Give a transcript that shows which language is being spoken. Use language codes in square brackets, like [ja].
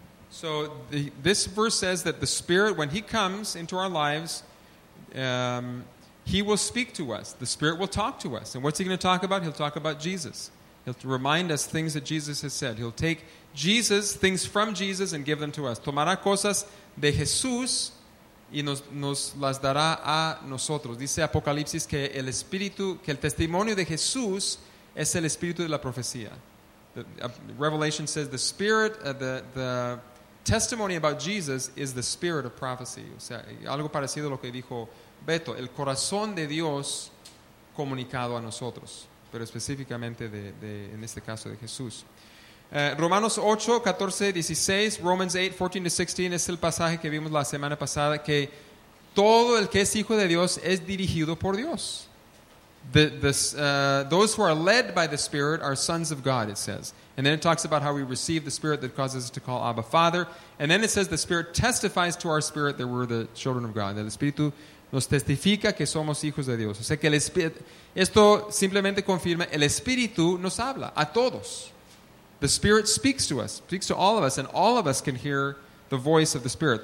[en] So this verse says that the Spirit, when He comes into our lives, He will speak to us. The Spirit will talk to us. And what's He going to talk about? He'll talk about Jesus. He'll remind us things that Jesus has said. He'll take Jesus, things from Jesus, and give them to us. [es] Tomará cosas de Jesús y nos las dará a nosotros. Dice Apocalipsis que el Espíritu, que el testimonio de Jesús es el Espíritu de la profecía. [en] Revelation says the Spirit, the testimony about Jesus is the Spirit of prophecy. [es] O sea, algo parecido a lo que dijo Beto, el corazón de Dios comunicado a nosotros, pero específicamente de en este caso de Jesús. Romanos 8, 14, 16, [en] Romans 8, 14 to 16, [es] es el pasaje que vimos la semana pasada, que todo el que es hijo de Dios es dirigido por Dios. [en] Those who are led by the Spirit are sons of God, it says. And then it talks about how we receive the Spirit that causes us to call Abba Father. And then it says the Spirit testifies to our spirit that we're the children of God. [es] El Espíritu nos testifica que somos hijos de Dios. O sea que el Espíritu, esto simplemente confirma, el Espíritu nos habla a todos. [en] The Spirit speaks to us, speaks to all of us, and all of us can hear the voice of the Spirit.